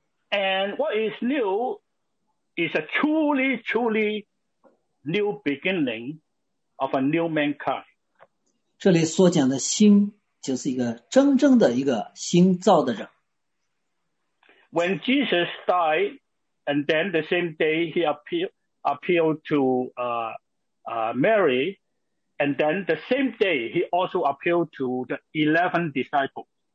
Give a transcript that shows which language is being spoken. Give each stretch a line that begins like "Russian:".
English: And what is new is a truly, truly new beginning of a new mankind.
Chinese: 这里所讲的新，就是一个真正的一个新造的人。
English: When Jesus died. And then the same day he appealed to Mary, and then the same day he also appealed to the 11 disciples.